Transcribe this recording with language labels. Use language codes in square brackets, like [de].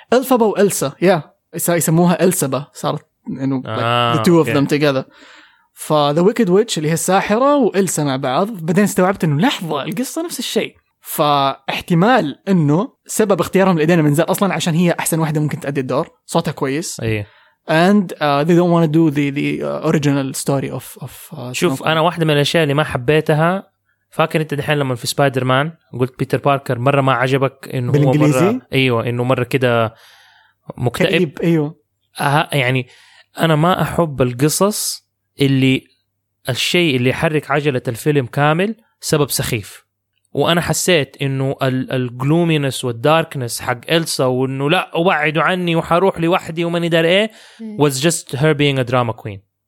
[ar] ألفابا وإلسا يا يسموها إلسابا صارت إنه [en] the two of them together. [ar] فThe Wicked Witch اللي هي الساحرة وإلسا مع بعض، بعدين استوعبت إنه لحظة القصة نفس الشيء. فاحتمال إنه سبب اختيارهم لإيدينا من زر أصلاً عشان هي أحسن واحدة ممكن تأدي الدور، صوتها كويس. أيه. [en] And they don't want to do the original story of [ar] شوف Snow. أنا واحدة من الأشياء اللي ما حبيتها، فاكر أنت دحين لما في سبايدر مان قلت بيتر باركر مرة ما عجبك إنه هو مرة أيوة إنه مرة كده مكتئب أيوة. يعني أنا ما أحب القصص اللي الشيء اللي يحرك عجلة الفيلم كامل سبب سخيف، وأنا حسيت إنه الجلومينس والداركنس حق إلسا وإنه لا أبعد عني وحروح لوحدي وما ندري إيه [en] was just her being a drama queen.